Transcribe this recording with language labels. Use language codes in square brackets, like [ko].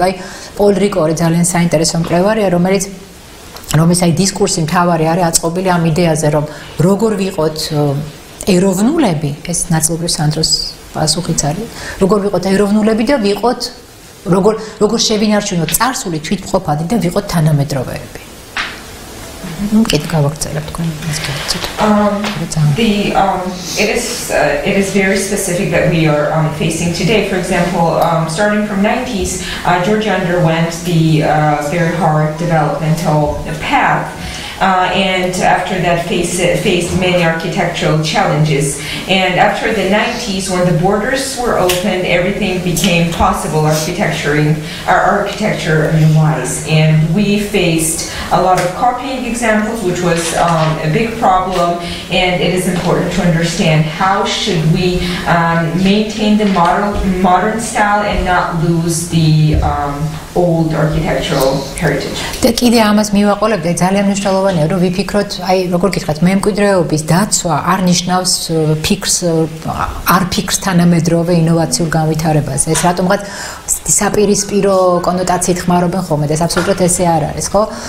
[ka] აი პოლ რიკორი ძალიან საინტერესო მკვლევარია, რომელიც რომელიც აი დისკურსი მთავარი არის აწყობილი ამ იდეაზე, რომ როგორ ვიყოთ ეროვნულები, ეს ნაწილობრივ სანდროს პასუხიც არის, როგორ ვიყოთ ეროვნულები და ვიყოთ როგორ შევინარჩუნოთ წარსული თვითმყოფადი და ვიყოთ თანამედროვეები. [ru] Ну, это как акцент, такой, скажем, [en] it is very specific that we are facing today. For example, starting from 90s, Georgia underwent the very hard developmental path. And after that faced many architectural challenges. And after the 90s, when the borders were opened, everything became possible architecture-wise. And we faced a lot of copying examples, which was a big problem. And it is important to understand how should we maintain the modern style and not lose the old architectural heritage. The idea was to make a lot of [ka] მნიშვნელოვანია, რომ ვიფიქროთ, აი, როგორ გითხრათ, მემკვიდრეობის დაცვა არ ნიშნავს ფიქრს, არ ფიქრს თანამედროვე ინოვაციურ განვითარებას. ეს რატომღაც საპირისპირო კონოტაციით ხმარობენ ხოლმე, ეს აბსოლუტურად ესე არ არის, ხო?